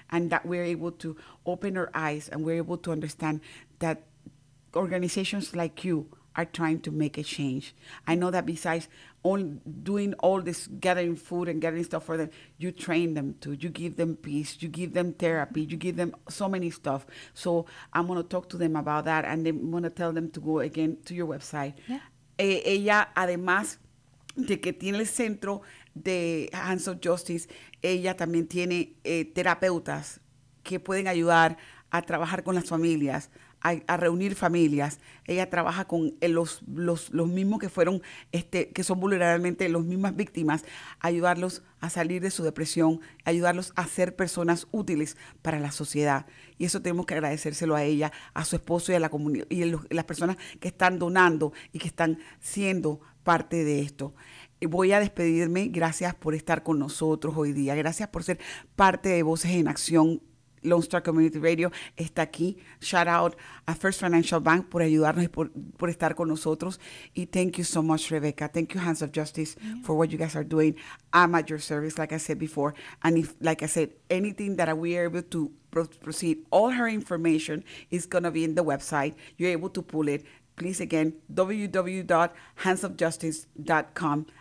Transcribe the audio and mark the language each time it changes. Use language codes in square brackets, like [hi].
[en] And that we're able to open our eyes and we're able to understand that organizations like you are trying to make a change. I know that besides doing all this, gathering food and gathering stuff for them, you train them too. You give them peace. You give them therapy. You give them so many stuff. So I'm going to talk to them about that and I'm going to tell them to go again to your website. Yeah. [es] Ella, además de que tiene el centro de Hands of Justice, ella también tiene terapeutas que pueden ayudar a trabajar con las familias, a reunir familias. Ella trabaja con los mismos que fueron, que son vulnerablemente las mismas víctimas, ayudarlos a salir de su depresión, ayudarlos a ser personas útiles para la sociedad. Y eso tenemos que agradecérselo a ella, a su esposo y a la comunidad, y a las personas que están donando y que están siendo parte de esto. Voy a despedirme. Gracias por estar con nosotros hoy día. Gracias por ser parte de Voces en Acción. Lone Star Community Radio está aquí. [en] Shout out [es] a First Financial Bank por ayudarnos y por estar con nosotros. [en] Y thank you so much, Rebecca. Thank you, Hands of Justice, yeah. for what you guys are doing. I'm at your service, like I said before. And if, like I said, anything that we are able to proceed, all her information is going to be in the website. You're able to pull it. Please, again, www.handsofjustice.com.